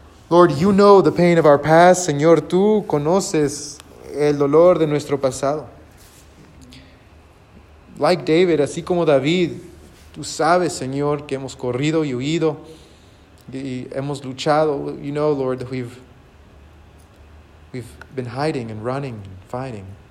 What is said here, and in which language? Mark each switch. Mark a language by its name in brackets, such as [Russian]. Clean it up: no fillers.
[English] Lord, you know the pain of our past. [Spanish] Señor, tú conoces el dolor de nuestro pasado. [English] Like David, [Spanish] así como David, tú sabes, Señor, que hemos corrido y huido y hemos luchado. [English] You know, Lord, that we've been hiding and running and fighting.